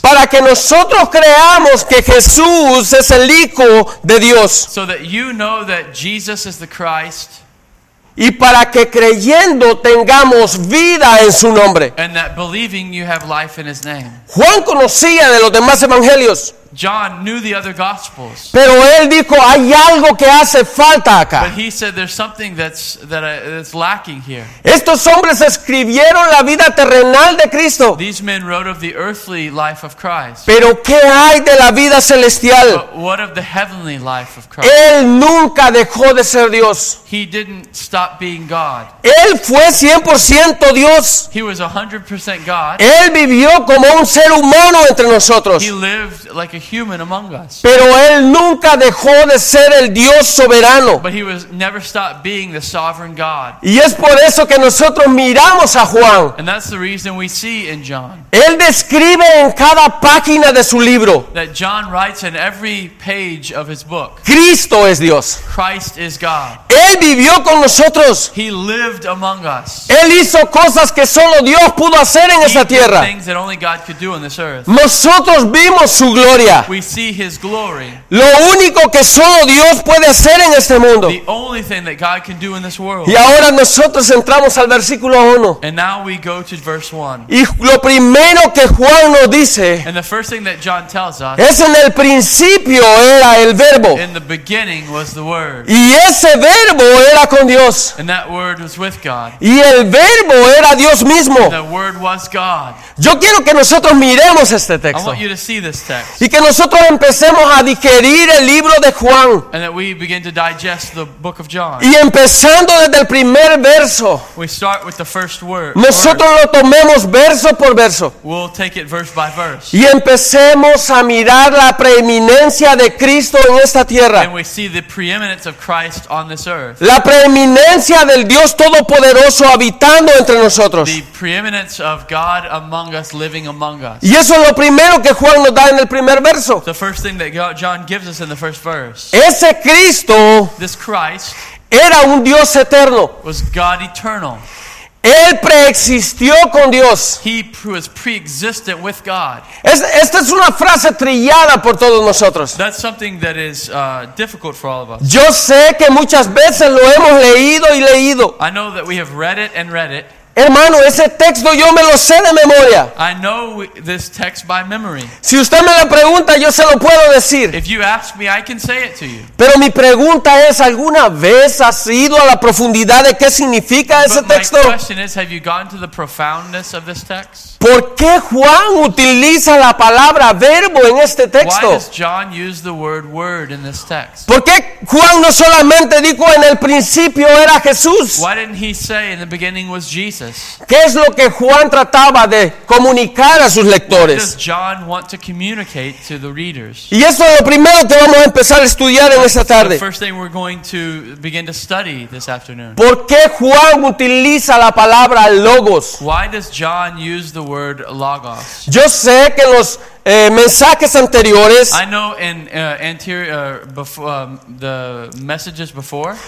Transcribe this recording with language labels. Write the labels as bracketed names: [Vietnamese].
[Spanish] para que nosotros creamos que Jesús es el Hijo de Dios. [English] So that you know that Jesus is the Christ, [Spanish] Y para que creyendo tengamos vida en su nombre. [English] And that believing you have life in his name. [Spanish] Juan conocía de los demás evangelios. [English] John knew the other gospels. [Spanish] Pero él dijo, hay algo que hace falta acá. [English] But he said there's something that's lacking here. [Spanish] Estos hombres escribieron la vida terrenal de Cristo. [English] These men wrote of the earthly life of Christ. [Spanish] Pero ¿qué hay de la vida celestial? [English] But what of the heavenly life of Christ? [Spanish] Él nunca dejó de ser Dios. [English] He didn't stop being God. [Spanish] Él fue 100% Dios. [English] He was 100% God. [Spanish] Él vivió como un ser humano entre nosotros. [English] He lived like a human among us. [Spanish] Pero él nunca dejó de ser el Dios soberano. [English] But he was never stopped being the sovereign God. [Spanish] Y es por eso que nosotros miramos a Juan. [English] And that's the reason we see in John. [Spanish] Él describe en cada página de su libro. [English] That John writes in every page of his book. [Spanish] Cristo es Dios. [English] Christ is God. [Spanish] Él vivió con nosotros. [English] He lived among us. [Spanish] Él hizo cosas que solo Dios pudo hacer en esta tierra. [English] He did things that only God could do on this earth. [Spanish] Nosotros vimos su gloria. [English] We see his glory. [Spanish] Lo único que solo Dios puede hacer en este mundo. [English] The only thing that God can do in this world. [Spanish] Y ahora nosotros entramos al versículo 1. [English] And now we go to verse 1. [Spanish] Y lo primero que Juan nos dice. [English] And the first thing that John tells us. [Spanish] Es en el principio era el verbo. [English] In the beginning was the word. [Spanish] Y ese verbo era con Dios. [English] And that word was with God. [Spanish] Y el verbo era Dios mismo. [English] And the word was God. [Spanish] Yo quiero que nosotros miremos este texto. [English] I want you to see this text. [Spanish] Y que nosotros empecemos a digerir el libro de Juan. [English] And that we begin to digest the book of John. [Spanish] Y empezando desde el primer verso. [English] We start with the first word. [Spanish] Nosotros lo tomemos verso por verso. [English] We'll take it verse by verse. [Spanish] Y empecemos a mirar la preeminencia de Cristo en esta tierra. [English] And we see the preeminence of Christ on this earth. [Spanish] La preeminencia del Dios Todopoderoso habitando entre nosotros. [English] The preeminence of God among us, living among us. [Spanish] Y eso es lo primero que Juan nos da en el primer verso. [English] The first thing that John gives us in the first verse. [Spanish] Ese Cristo, [English] this Christ, [Spanish] era un Dios eterno. [English] Was God eternal. [Spanish] Él preexistió con Dios. [English] He was pre-existent with God. [Spanish] Esta es una frase trillada por todos nosotros. [English] That's something that is difficult for all of us. [Spanish] Yo sé que muchas veces lo hemos leído y leído. [English] I know that we have read it and read it. [Spanish] Hermano, ese texto yo me lo sé de memoria. [English] I know this text by memory. [Spanish] Si usted me lo pregunta, yo se lo puedo decir. [English] If you ask me, I can say it to you. [Spanish] Pero mi pregunta es, ¿alguna vez has ido a la profundidad de qué significa ese texto? [English] My question is, have you gone to the profoundness of this text? [Spanish] ¿Por qué Juan utiliza la palabra verbo en este texto? [English] Why does John use the word word in this text? [Spanish] ¿Por qué Juan no solamente dijo en el principio era Jesús? [English] Why didn't he say in the beginning was Jesus? [Spanish] ¿Qué es lo que Juan trataba de comunicar a sus lectores? [English] What does John want to communicate to the readers? [Spanish] Y eso es lo primero que vamos a empezar a estudiar en esta tarde. [English] The first thing we're going to begin to study this afternoon. [Spanish] ¿Por qué Juan utiliza la palabra logos? [English] Why does John use the word logos? [Spanish] Yo sé que los mensajes anteriores. [English] I know in the messages before.